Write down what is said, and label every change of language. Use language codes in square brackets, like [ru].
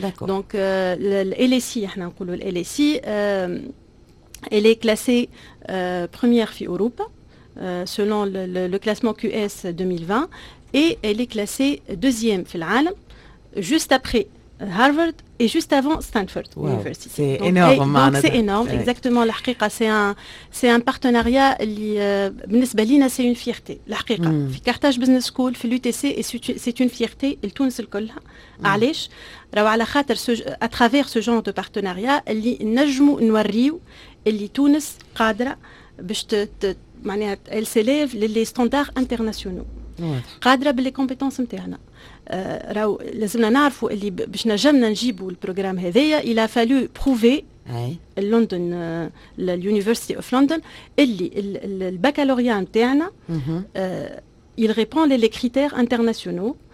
[fr] دونك ال اي سي، احنا نقولوا ال اي سي اللي كلاسي بروميير في اوروبا سولون لو كلاسمون كيو اس 2020، اللي كلاسي دوزيام في العالم جوست ابري هارفارد et juste avant Stanford University. C'est donc, énorme. Hey, donc c'est énorme, exactement. La حقيقة, c'est un partenariat qui, [ar] بالنسبة لينا, [fr] c'est une fierté. La [ar] حقيقة. [fr] في Carthage Business School, في l'UTC, et c'est une fierté. [ar] Et تونس الكلها. علاش؟ راهو على خاطر [fr] à travers ce genre de partenariat, [ar] اللي نجمو نوريو اللي تونس قادرة باش معناها [fr] elle s'élève les standards internationaux. [ar] قادرة باللي كومبيتونس نتاعنا. راو لازمنا نعرفوا اللي باش نجمنا نجيبوا البروغرام هذايا الى فالو بروفي لندن اليونيفرسيتي اوف لندن اللي البكالوريا نتاعنا [fr] il répond les critères internationaux.